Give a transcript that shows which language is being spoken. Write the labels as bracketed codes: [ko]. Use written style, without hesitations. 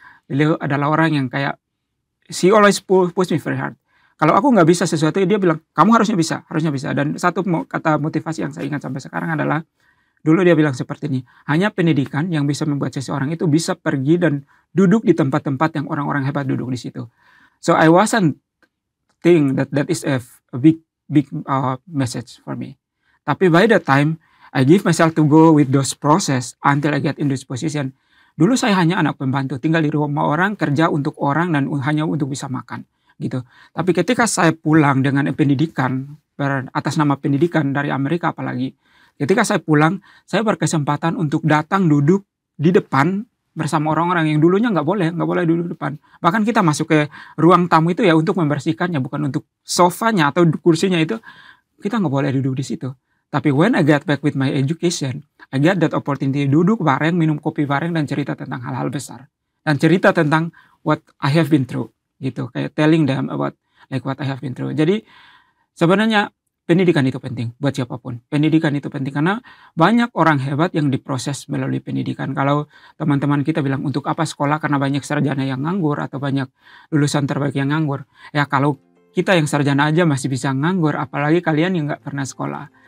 [id] Beliau adalah orang yang kayak, [en] she always push me very hard. [id] Kalau aku nggak bisa sesuatu, dia bilang, kamu harusnya bisa. Dan satu kata motivasi yang saya ingat sampai sekarang adalah, dulu dia bilang seperti ini, hanya pendidikan yang bisa membuat seseorang itu bisa pergi dan duduk di tempat-tempat yang orang-orang hebat duduk di situ. [en] So I wasn't think that that is a big message for me. [id] Tapi [en] by that time, I give myself to go with those process until I get in this position. [id] Dulu saya hanya anak pembantu, tinggal di rumah orang, kerja untuk orang, dan hanya untuk bisa makan. Gitu. Tapi ketika saya pulang dengan pendidikan, atas nama pendidikan dari Amerika apalagi, ketika saya pulang, saya berkesempatan untuk datang duduk di depan bersama orang-orang yang dulunya nggak boleh duduk depan. Bahkan kita masuk ke ruang tamu itu ya untuk membersihkannya, bukan untuk sofanya atau kursinya itu, kita nggak boleh duduk di situ. Tapi [en] when I get back with my education, I get that opportunity [id] duduk bareng, minum kopi bareng, dan cerita tentang hal-hal besar. Dan cerita tentang [en] what I have been through, [id] gitu. Kayak [en] telling them about like what I have been through. [id] Jadi sebenarnya pendidikan itu penting buat siapapun. Pendidikan itu penting karena banyak orang hebat yang diproses melalui pendidikan. Kalau teman-teman kita bilang untuk apa sekolah karena banyak sarjana yang nganggur atau banyak lulusan terbaik yang nganggur. Ya kalau kita yang sarjana aja masih bisa nganggur, apalagi kalian yang gak pernah sekolah.